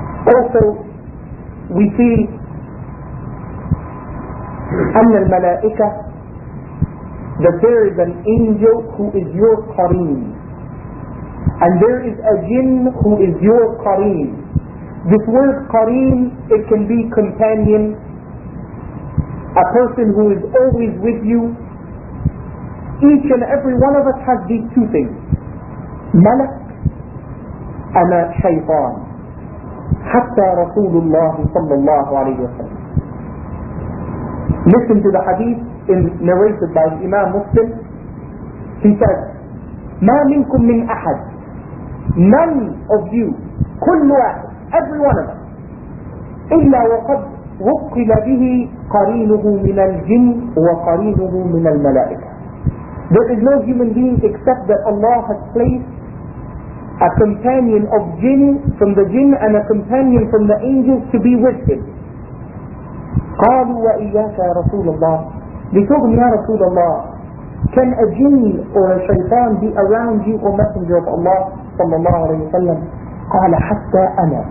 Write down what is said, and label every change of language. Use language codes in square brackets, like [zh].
[en] Also, we see [ar] أن الملائكة, [en] that there is an angel who is your قرين, and there is a jinn who is your قرين. This word قرين, it can be companion, a person who is always with you. Each and every one of us has these two things, [ar] ملك أنا شيطان. حتى رسول الله صلى الله عليه وسلم. [en] Listen to the hadith narrated by Imam Muslim. He said, [ar] ما منكم من أحد, [en] none of you, [ar] كل واحد, [en] every one of us, [ar] إلا وقد وقل به قرينه من الجن وقرينه من الملائكة. [en] There is no human being except that Allah has placed a companion of jinn from the jinn and a companion from the angels to be with him. [ar] قَالُوا وَإِيَّاكَ يَا رَسُولَ اللَّهِ. [en] They told him, Ya Rasulullah, can a jinn or a shaitan be around you, O Messenger of Allah صلى الله عليه وسلم؟ [ar] قَالَ حَتَّى أَنَا.